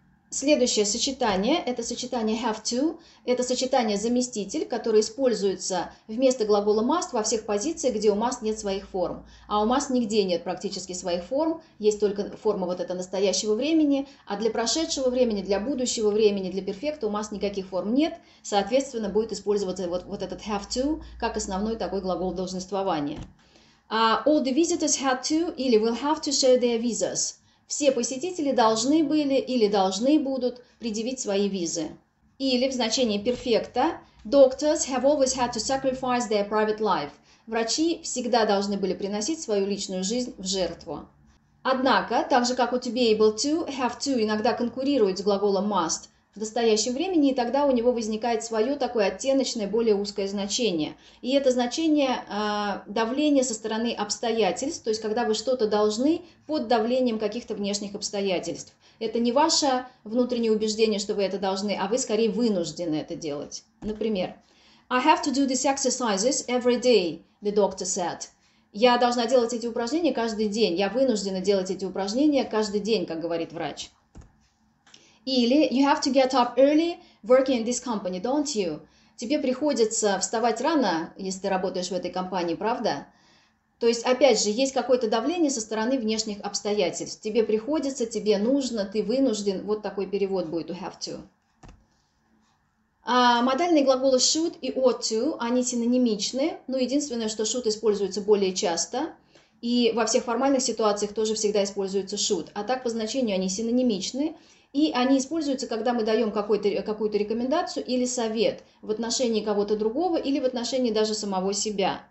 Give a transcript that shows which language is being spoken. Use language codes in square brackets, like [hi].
[ru] Следующее сочетание – это сочетание have to. Это сочетание заместитель, которое используется вместо глагола must во всех позициях, где у must нет своих форм. А у must нигде нет практически своих форм, есть только форма вот это настоящего времени. А для прошедшего времени, для будущего времени, для перфекта у must никаких форм нет. Соответственно, будет использоваться вот этот have to как основной такой глагол должноствования. [en] All the visitors had to [ru] или [en] will have to show their visas. [ru] Все посетители должны были или должны будут предъявить свои визы. Или в значении перфекта [en] doctors have always had to sacrifice their private life. [ru] Врачи всегда должны были приносить свою личную жизнь в жертву. Однако, так же как у to be able to, have to иногда конкурирует с глаголом must в в настоящем времени, и тогда у него возникает свое такое оттеночное, более узкое значение. И это значение давления со стороны обстоятельств, то есть когда вы что-то должны под давлением каких-то внешних обстоятельств. Это не ваше внутреннее убеждение, что вы это должны, а вы скорее вынуждены это делать. Например, [en] I have to do these exercises every day, the doctor said. [ru] Я должна делать эти упражнения каждый день. Я вынуждена делать эти упражнения каждый день, как говорит врач. Или [en] you have to get up early working in this company, don't you? [ru] Тебе приходится вставать рано, если ты работаешь в этой компании, правда? То есть, опять же, есть какое-то давление со стороны внешних обстоятельств. Тебе приходится, тебе нужно, ты вынужден. Вот такой перевод будет у have to. Модальные глаголы should и ought to, они синонимичны, но единственное, что should используется более часто, и во всех формальных ситуациях тоже всегда используется should, а так по значению они синонимичны, и они используются, когда мы даем какую-то рекомендацию или совет в отношении кого-то другого или в отношении даже самого себя.